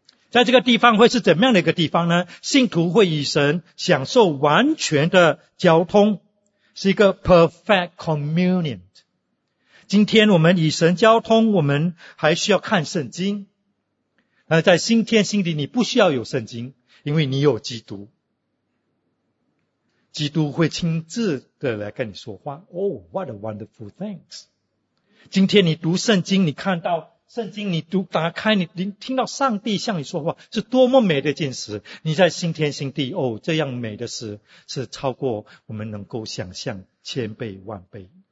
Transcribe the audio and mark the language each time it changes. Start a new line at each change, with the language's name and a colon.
Chinese: 在这个地方会是怎么样的一个地方呢？信徒会与神享受完全的交通，是一个
English: perfect communion。
Chinese: 今天我们与神交通，我们还需要看圣经，而在新天新地你不需要有圣经，因为你有基督，基督会亲自的来跟你说话。
English: Oh, what a wonderful things.
Chinese: 今天你读圣经，你看到圣经，你读打开，你听到上帝向你说话，是多么美的见识。你在新天新地，哦，这样美的事是超过我们能够想象千倍万倍。